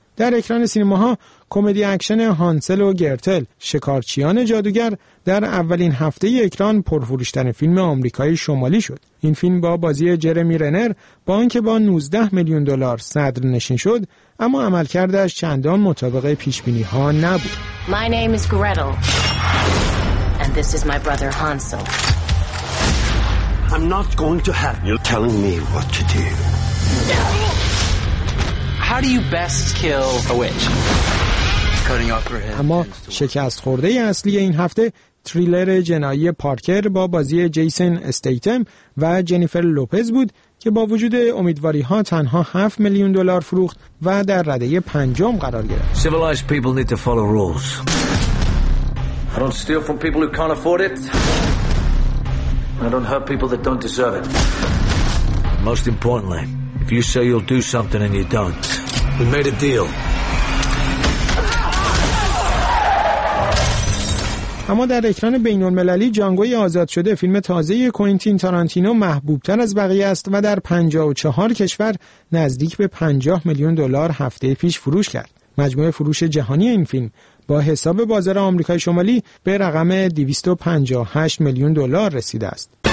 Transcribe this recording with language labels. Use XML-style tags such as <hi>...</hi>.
<fa>در اکران سینماها کمدی اکشن هانسل و گرتل شکارچیان جادوگر در اولین هفته اکران پرفروش‌ترین فیلم آمریکای شمالی شد. این فیلم با بازی جرمی رنر با آنکه با 19 میلیون دلار صدر نشین شد، اما عملکردش چندان مطابق پیشبینی‌ها نبود.</fa> <en>My name is Gretel and this is my brother Hansel. I'm not going to have you telling me what to do. How do you best kill a witch?</en> <fa>اما شکست خورده اصلی این هفته تریلر جنایی پارکر با بازی جیسن استیتم و جنیفر لوپز بود که با وجود امیدواری ها تنها 7 میلیون دلار فروخت و در رده پنجم قرار گرفت.</fa> <en>Civilized people need to follow rules. I don't steal from people who can't afford it. I don't hurt people that don't deserve it. Most importantly, if you say you'll do something and you don't, we made a deal.</en> <fa>اما در اکران بین‌المللی جانگوی آزاد شده فیلم تازه کوئنتین تارانتینو محبوب‌تر از بقیه است و در 54 کشور نزدیک به 50 میلیون دلار هفته پیش فروش کرد. مجموع فروش جهانی این فیلم با حساب بازار آمریکای شمالی به رقم 258 میلیون دلار رسیده است.</fa>